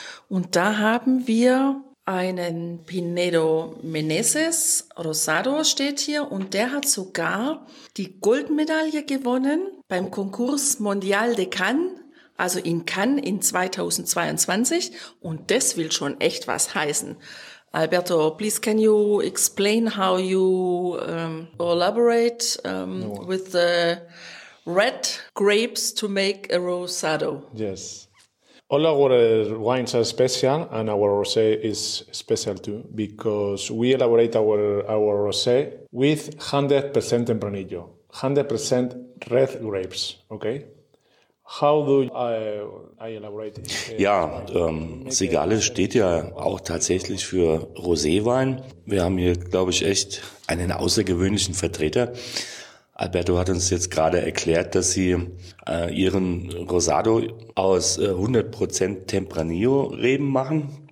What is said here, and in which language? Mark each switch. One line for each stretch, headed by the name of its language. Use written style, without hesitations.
German: Und da haben wir einen Pinedo Meneses Rosado steht hier und der hat sogar die Goldmedaille gewonnen beim Concours Mondial de Cannes, also in Cannes in 2022 und das will schon echt was heißen.
English: Alberto, please can you explain how you elaborate with the red grapes to make a Rosado? Yes. All our wines are special and our rosé is special too because we elaborate our rosé with 100% Tempranillo, 100% red grapes, okay? How do I elaborate it?
German: Ja, Segale steht ja auch tatsächlich für Roséwein. Wir haben hier, glaube ich, echt einen außergewöhnlichen Vertreter. Alberto hat uns jetzt gerade erklärt, dass sie ihren Rosado aus 100% Tempranillo-Reben machen.